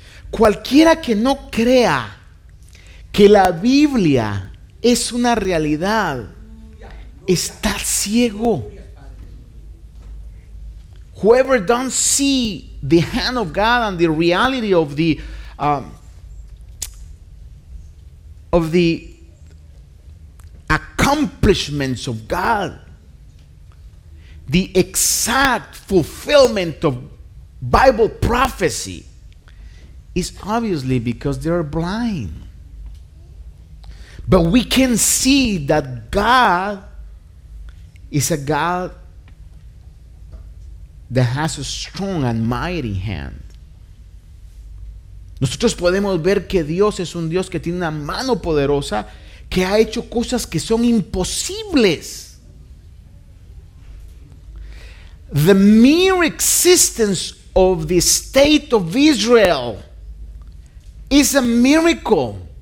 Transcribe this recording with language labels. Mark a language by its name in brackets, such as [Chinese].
[Spanish] Cualquiera que no crea que la Biblia es una realidad está ciego. [English] Whoever don't see the hand of God and the reality of the accomplishments of God, the exact fulfillment of Bible prophecy, is obviously because they are blind. But we can see that God is a God that has a strong and mighty hand. [Spanish] Nosotros podemos ver que Dios es un Dios que tiene una mano poderosa que ha hecho cosas que son imposibles. [English] The mere existence of the state of Israel is a miracle.